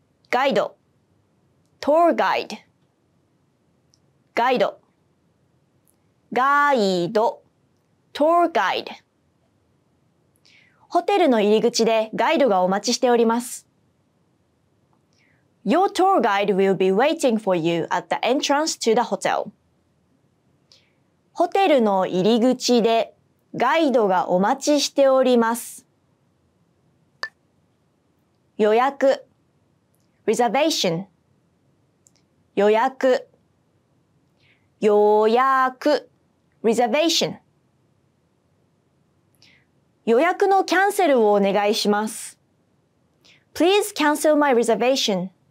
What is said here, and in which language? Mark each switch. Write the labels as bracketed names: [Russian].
[Japanese] ガイド Tour guide. ガイド。ガイド。 Tour guide. ホテルの入り口でガイドがお待ちしております。 [English] Your tour guide will be waiting for you at the entrance to the hotel. [Japanese] ホテルの入り口でガイドがお待ちしております。予約。 reservation 予約予約 reservation 予約のキャンセルをお願いします Please cancel my reservation